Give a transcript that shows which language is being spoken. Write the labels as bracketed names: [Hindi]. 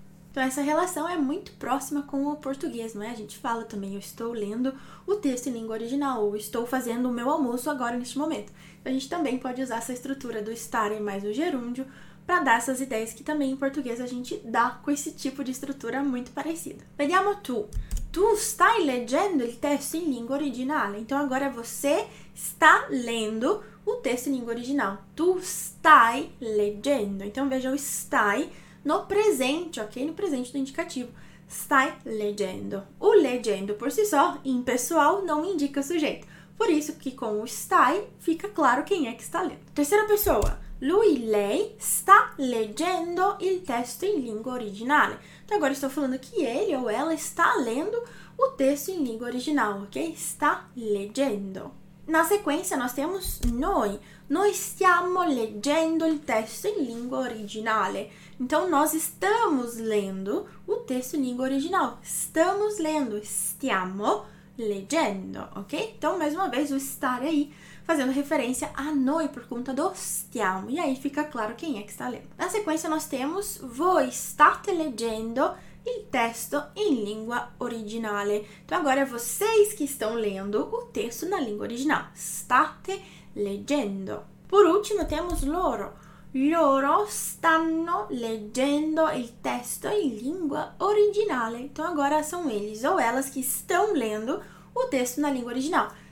[Portuguese] Então, essa relação é muito próxima com o português, não é? A gente fala também, eu estou lendo o texto em língua original, ou estou fazendo o meu almoço agora, neste momento. Então, a gente também pode usar essa estrutura do estar mais o gerúndio para dar essas ideias que também em português a gente dá com esse tipo de estrutura muito parecida. [Italian] Vediamo tu. Tu stai leggendo il testo in lingua originale. [Portuguese] Então, agora você está lendo o texto em língua original. [Italian] Tu stai leggendo. [Portuguese] Então, veja o stai no presente, ok? No presente do indicativo. [Italian] Stai leggendo. [Portuguese] O leggendo, por si só, impessoal, não indica sujeito. Por isso que com o stai, fica claro quem é que está lendo. Terceira pessoa. [Italian] Lui, lei, sta leggendo il testo in lingua originale. [Portuguese] Então, agora estou falando que ele ou ela está lendo o texto em língua original, ok? Está leggendo. Na sequência, nós temos noi. [Italian] Noi stiamo leggendo il testo in lingua originale. [Portuguese] Então, nós estamos lendo o texto em língua original. Estamos lendo, [Italian] stiamo leggendo, [Portuguese] ok? Então, mais uma vez, o estar aí fazendo referência a noi por conta do stiamo. E aí fica claro quem é que está lendo. Na sequência, nós temos [Italian] voi state leggendo il testo in lingua originale. [Portuguese] Então, agora é vocês que estão lendo o texto na língua original. [Italian] State leggendo. [Portuguese] Por último, temos loro. [Italian] Loro stanno leggendo il testo in lingua originale. [Portuguese] Então, agora são eles ou elas que estão lendo o texto na língua original.